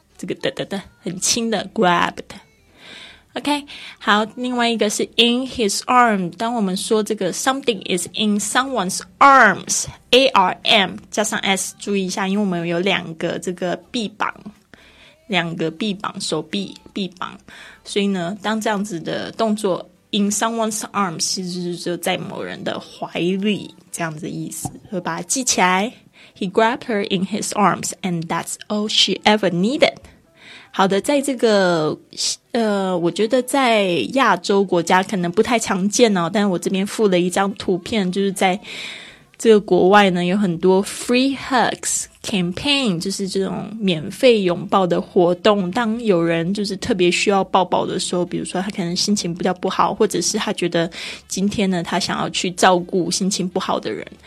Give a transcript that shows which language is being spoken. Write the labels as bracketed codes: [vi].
[zh] 这个的很轻的 grabbed， OK， 好，另外一个是 [en] in his arm， [zh] 当我们说这个 [en] something is in someone's arms， [zh] ARM 加上 S， 注意一下，因为我们有两个这个臂膀，两个臂膀，手臂臂膀，所以呢当这样子的动作 [en] in someone's arms， [zh] 其实就在某人的怀里，这样子的意思，所以把它记起来。 [en] He grabbed her in his arms and that's all she ever needed。 [zh] 好的，在这个我觉得在亚洲国家可能不太常见哦，但我这边附了一张图片，就是在这个国外呢有很多 free hugs campaign， 就是这种免费拥抱的活动，当有人就是特别需要抱抱的时候，比如说他可能心情比较不好，或者是他觉得今天呢他想要去照顾心情不好的人，